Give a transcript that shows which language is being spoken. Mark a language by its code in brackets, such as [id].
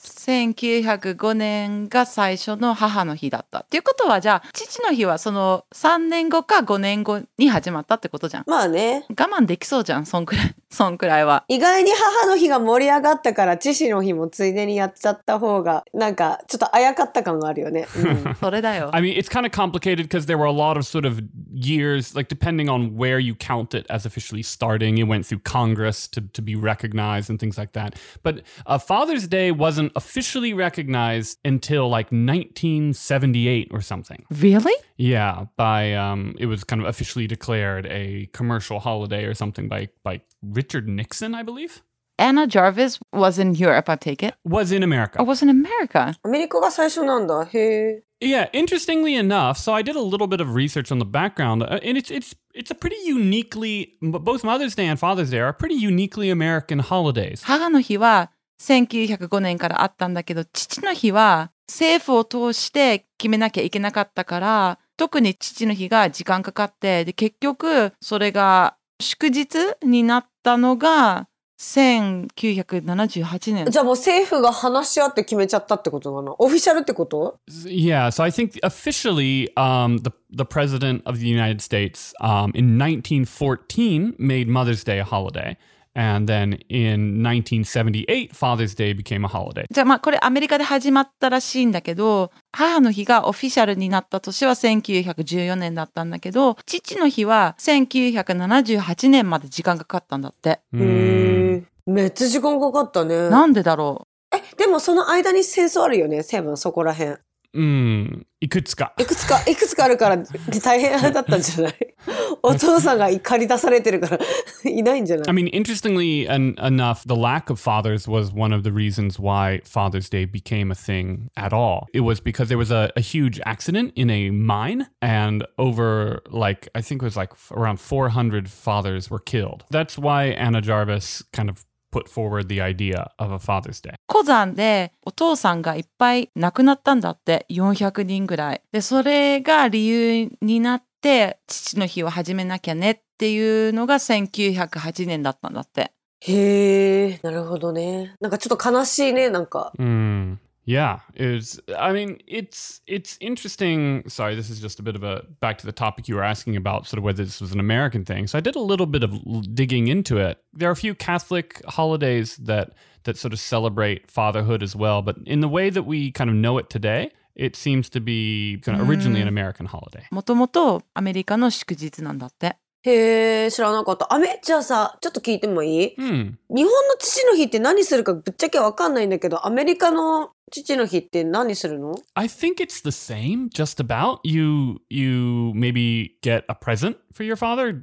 [ja] 1905年が最初の母の日だった。ということはじゃあ父の日はその3年後か5年後に始まったってことじゃん。まあね。我慢できそうじゃん、そんくらい。そんくらいは。意外に母の日が盛り上がったから父の日もついでにやっちゃった方がなんかちょっとあやかった感があるよね。それだよ。 [en] I mean, it's kind of complicated because there were a lot of sort of years, like depending on where you count it as officially starting, it went through Congress to be recognized and things like that. But Father's Day wasn't officially recognized until like 1978 or something. Really? Yeah, it was kind of officially declared a commercial holiday or something by Richard Nixon, I believe. Anna Jarvis was in Europe, I take it? Was in America. Oh, was in America? [ja] America が最初なんだ。へえ。 [en] Yeah, interestingly enough, so I did a little bit of research on the background, and it's a pretty uniquely, both Mother's Day and Father's Day are pretty uniquely American holidays. [ja] 母の日は1905年からあったんだけど、父の日は政府を通して決めなきゃいけなかったから、特に父の日が時間かかって、で結局それが祝日になったのが、1978年。じゃあもう政府が話し合って決めちゃったってことなの？オフィシャルってこと？ [en] Yeah, so I think officially, the president of the United States, in 1914 made Mother's Day a holiday, and then in 1978, Father's Day became a holiday. [ja] じゃあまあこれアメリカで始まったらしいんだけど、母の日がオフィシャルになった年は1914年だったんだけど、父の日は1978年まで時間かかったんだって。めっちゃ時間かかったね。なんでだろう。え、でもその間に戦争あるよね、セブン、そこらへん。いくつか。いくつかあるから大変だったんじゃない。お父さんが怒り出されてるからいないんじゃない。 [en] I mean, interestingly enough, the lack of fathers was one of the reasons why Father's Day became a thing at all. It was because there was a huge accident in a mine, and over, like, I think it was like around 400 fathers were killed. That's why Anna Jarvis kind of put forward the idea of a Father's Day. [ja] 火山でお父さんがいっぱい亡くなったんだって、400人ぐらい。で、それが理由になって、で父の日を始めなきゃねっていうのが1908年だったんだって。へえ、なるほどね。なんかちょっと悲しいね、なんか。 [en] Yeah, it's, I mean, it's interesting. Sorry, this is just a bit of a back to the topic you were asking about, sort of whether this was an American thing. So I did a little bit of digging into it. There are a few Catholic holidays that sort of celebrate fatherhood as well, but in the way that we kind of know it today,It seems to be kind of originally an American holiday. [ja] もともとアメリカの祝日なんだって。へえ、知らなかった。じゃあさ、ちょっと聞いてもいい？日本の父の日って何するかぶっちゃけわかんないんだけど、アメリカの父の日って何するの？ [en] I think it's the same, just about. You maybe get a present for your father.